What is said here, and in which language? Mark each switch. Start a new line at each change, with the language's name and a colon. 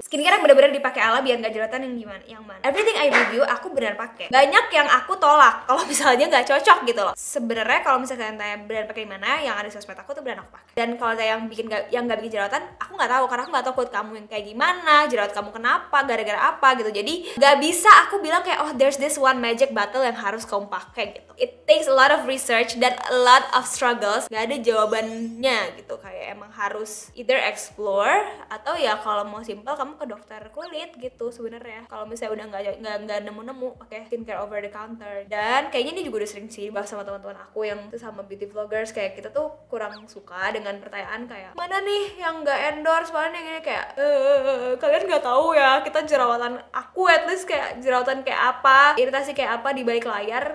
Indonesian: Skincare yang bener-bener dipakai ala biar gak jerawatan yang gimana, yang mana
English: everything I review
Indonesian: aku bener pakai. Banyak yang aku tolak kalau misalnya gak cocok gitu loh. Sebenarnya kalau misalnya kalian tanya bener pakai mana, yang ada sosmed aku tuh bener aku pakai. Dan kalau tanya yang gak bikin jerawatan, aku gak tahu karena aku gak tahu kulit kamu yang kayak gimana, jerawat kamu kenapa, gara-gara apa gitu. Jadi gak bisa aku bilang kayak
English: oh there's this one magic battle
Indonesian: yang harus kamu pakai gitu.
English: It takes a lot of research
Indonesian: dan
English: a lot of struggles.
Indonesian: Gak ada jawabannya gitu. Kayak emang harus either explore atau ya kalau mau simple kamu ke dokter kulit gitu sebenarnya. Kalau misalnya udah gak nemu-nemu pakai skincare
English: over the counter.
Indonesian: Dan kayaknya ini juga udah sering sih bahas sama teman-teman aku yang sama beauty vloggers, kayak kita tuh kurang suka dengan pertanyaan kayak mana nih yang gak endorse, mana yang ini kayak kalian gak tahu ya kita jerawatan, aku at least kayak jerawatan kayak apa, iritasi kayak apa di balik layar.